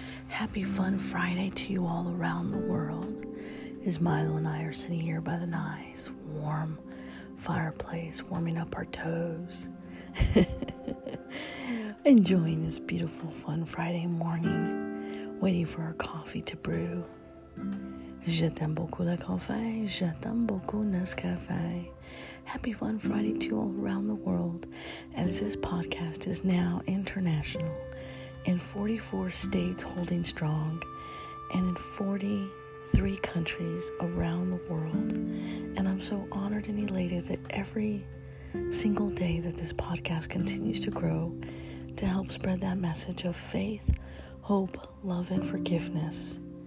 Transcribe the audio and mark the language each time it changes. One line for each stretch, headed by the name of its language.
English: Happy Fun Friday to you all around the world. As Milo and I are sitting here by the nice warm fireplace, warming up our toes, enjoying this beautiful fun Friday morning, waiting for our coffee to brew.
French: Je t'aime beaucoup le café, je t'aime beaucoup Nescafé.
English: Happy Fun Friday to you all around the world, as this podcast is now international in 44 states holding strong and in 43 countries around the world. And I'm so honored and elated that every single day that this podcast continues to grow to help spread that message of faith, hope, love, and forgiveness.